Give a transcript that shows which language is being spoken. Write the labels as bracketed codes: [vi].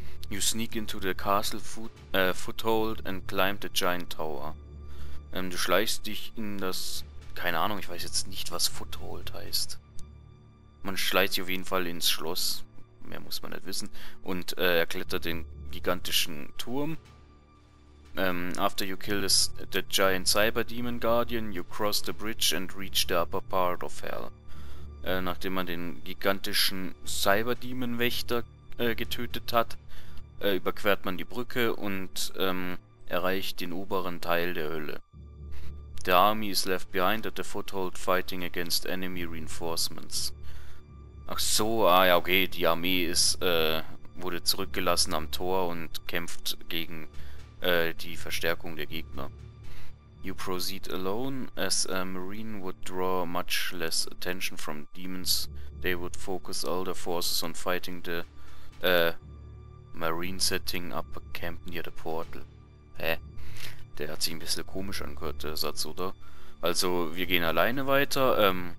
[en] You sneak into the castle foothold and climb the giant tower. [de] Du schleichst dich in das... Keine Ahnung, ich weiß jetzt nicht, was Foothold heißt. Man schleicht sich auf jeden Fall ins Schloss. Mehr muss man nicht wissen. Und er klettert den gigantischen Turm. [en] After you kill the giant cyber demon guardian, you cross the bridge and reach the upper part of hell. [de] Nachdem man den gigantischen cyber demon wächter getötet hat, überquert man die Brücke und erreicht den oberen Teil der Hölle. [en] The army is left behind at the foothold fighting against enemy reinforcements. [de] Ach so, ah ja, okay, die Armee ist wurde zurückgelassen am Tor und kämpft gegen die Verstärkung der Gegner. [en] You proceed alone, as a marine would draw much less attention from demons. They would focus all their forces on fighting the marine setting up a camp near the portal. [de] Hä? Der hat sich ein bisschen komisch angehört, der Satz, oder? Also, wir gehen alleine weiter.